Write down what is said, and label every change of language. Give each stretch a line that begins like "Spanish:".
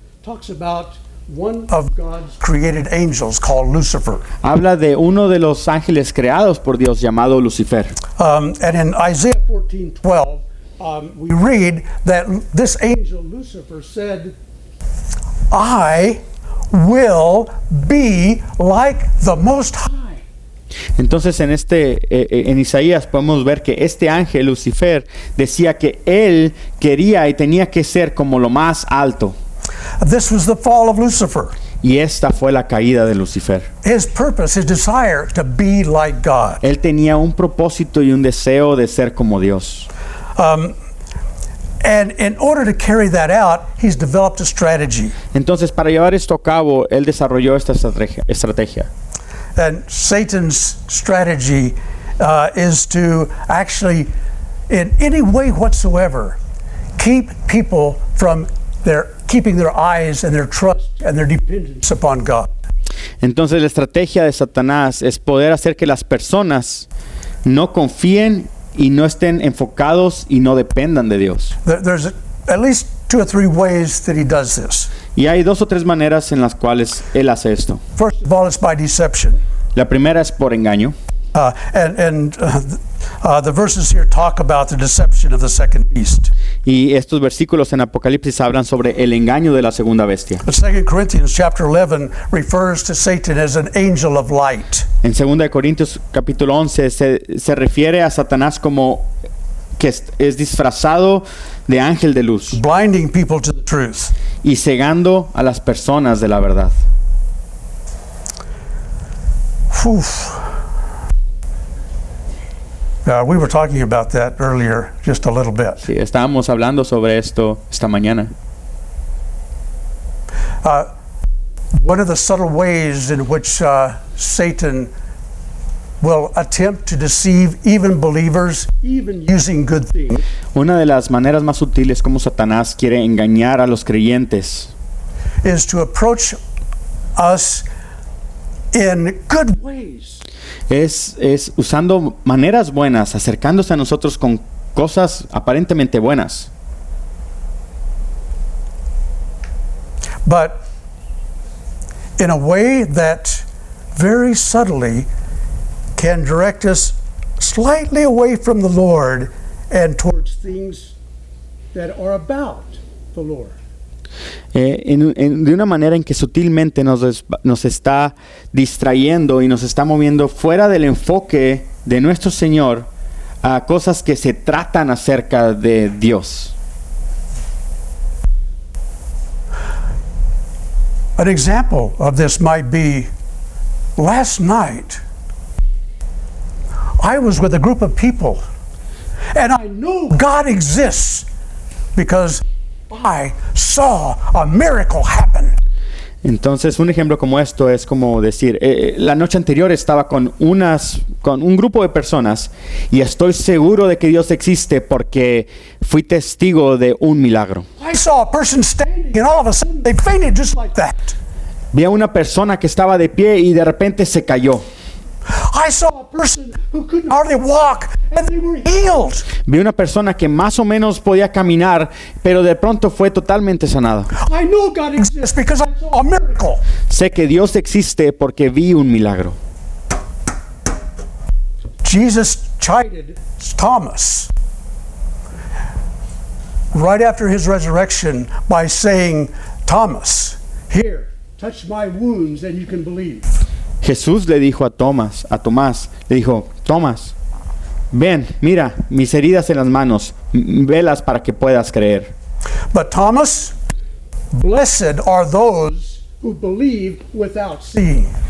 English: Talks about one of God's created angels called Lucifer.
Spanish: Habla de uno de los ángeles creados por Dios llamado Lucifer.
English: And in Isaiah 14:12, we read that this angel Lucifer said, "I will be like the Most High."
Spanish: Entonces en este en Isaías podemos ver que este ángel Lucifer decía que él quería y tenía que ser como lo más alto.
English: This was the fall of Lucifer.
Spanish: Y esta fue la caída de Lucifer.
English: His purpose, his desire to be like God.
Spanish: Él tenía un propósito y un deseo de ser como Dios.
English: And in order to carry that out, he's developed a strategy.
Spanish: Entonces para llevar esto a cabo, él desarrolló esta estrategia.
English: And Satan's strategy is to actually, in any way whatsoever, keep people from keeping their eyes and their trust and their dependence upon God.
Spanish: Entonces la estrategia de Satanás es poder hacer que las personas no confíen y no estén enfocados y no dependan de Dios.
English: There's at least two or three ways that he does this.
Spanish: Y hay dos o tres maneras en las cuales él hace esto.
English: First of all, it's by deception.
Spanish: La primera es por engaño.
English: The verses here talk about the deception of the second beast.
Spanish: Y estos versículos en Apocalipsis hablan sobre el engaño de la segunda bestia.
English: But 2 Corinthians chapter 11 refers to Satan as an angel of light.
Spanish: En 2 Corintios capítulo 11 se refiere a Satanás como que es disfrazado de ángel de luz.
English: Blinding people to the truth.
Spanish: Y cegando a las personas de la verdad.
English: We were talking about that earlier, just a little bit.
Spanish: Sí, estábamos hablando sobre esto esta mañana.
English: One of the subtle ways in which Satan will attempt to deceive even believers, even using good things.
Spanish: Una de las maneras más sutiles como Satanás quiere engañar a los creyentes
English: is to approach us in good ways.
Spanish: Es usando maneras buenas, acercándose a nosotros con cosas aparentemente buenas.
English: But in a way that very subtly can direct us slightly away from the Lord and towards things that are about the Lord.
Spanish: De una manera en que sutilmente nos está distrayendo y nos está moviendo fuera del enfoque de nuestro Señor a cosas que se tratan acerca de Dios.
English: An example of this might be last night. I was with a group of people, and I knew God exists because I saw a miracle happen.
Spanish: Entonces, un ejemplo como esto es como decir, la noche anterior estaba con un grupo de personas, y estoy seguro de que Dios existe porque fui testigo de un milagro.
English: I saw a person standing, and all of a sudden they fainted just like that.
Spanish: Vi a una persona que estaba de pie y de repente se cayó.
English: I saw a person who couldn't hardly walk, and they were healed.
Spanish: Vi una persona que más o menos podía caminar, pero de pronto fue totalmente sanada.
English: I know God exists because I saw a miracle.
Spanish: Sé que Dios existe porque vi un milagro.
English: Jesus chided Thomas right after his resurrection by saying, "Thomas, here, touch my wounds and you can believe."
Spanish: Jesús le dijo a Tomás, le dijo, Tomás, ven, mira, mis heridas en las manos, velas para que puedas creer.
English: But Thomas, blessed are those who believe without seeing.